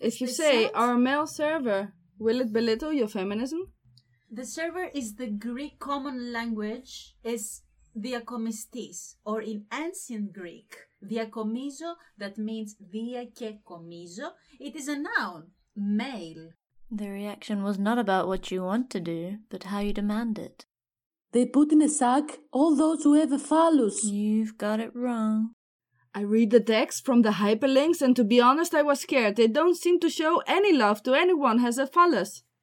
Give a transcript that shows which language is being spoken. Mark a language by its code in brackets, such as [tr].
[en] If you say our male server, will it belittle your feminism? The server is the Greek common language, is diakomistis, or in ancient Greek. [el] Διακομίζω, [en] that means [el] δια και κομίζω. [en] It is a noun, male. The reaction was not about what you want to do, but how you demand it. They put in a sack all those who have a phallus. You've got it wrong. I read the text from the hyperlinks and to be honest, I was scared. They don't seem to show any love to anyone who has a phallus.